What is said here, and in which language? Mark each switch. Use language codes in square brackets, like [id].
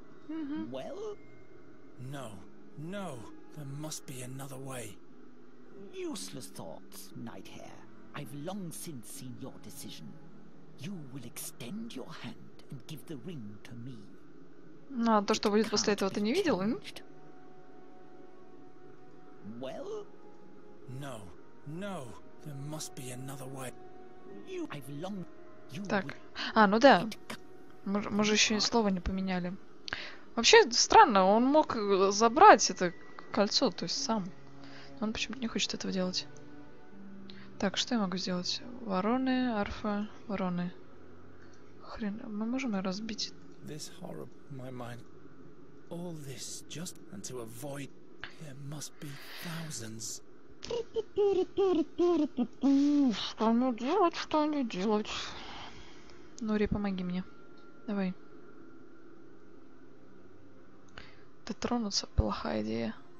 [en] Mm-hmm. Well? No, no, there must be another way. Useless thoughts, Nighthair. I've long since seen your decision. You will extend your hand and give the ring to me. [ru] Ну, а то, что будет после этого, ты не видел? [en] Well? No, no, there must be another way. I've long... [ru] Так, а, ну да. Мы же еще и слова не поменяли. Вообще странно, он мог забрать это кольцо, то есть сам. Но он почему-то не хочет этого делать. Так, что я могу сделать? Вороны, арфа, вороны. Хрен, мы можем ее разбить? [en] This horror, my mind. All this just and to avoid there must be thousands. [ru] Что мне делать, что мне делать? Нури, помоги мне. Давай. Дотронуться — плохая идея.